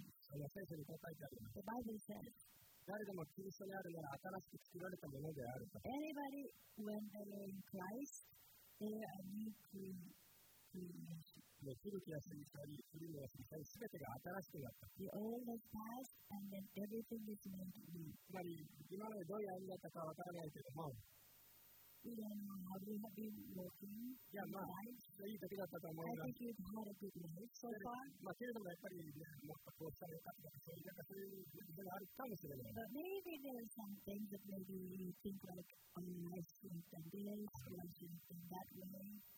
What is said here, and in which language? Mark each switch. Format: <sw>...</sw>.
<ja>聖書にこう書いてあります。</ja> <en>The Bible says</en> <ja>誰でもキリストにあるなら新しく作られたものであると。</ja> <en>Anybody when they are in Christ they are new creation.</en> <ja>古きは過ぎ去り、古きは過ぎ去り、すべてが新しくなった。</ja> <en>The old has passed and then everything is new.</en> <ja>つまり、今までどういう歩みだったかわからないけども、</ja> <en>We don't know how we have been working.</en> <ja>いや、まあ、いい時だったと思うが、</ja> <en>I think you've had a good life so far.</en> <ja>まあ、けれども、やっぱり、ね、もっとこうしたらよかったとか、なんかそういうことがあるかもしれない。</ja> <en>But maybe there are some things that maybe you think like, oh, I shouldn't have done this, or I shouldn't have done that way.</en>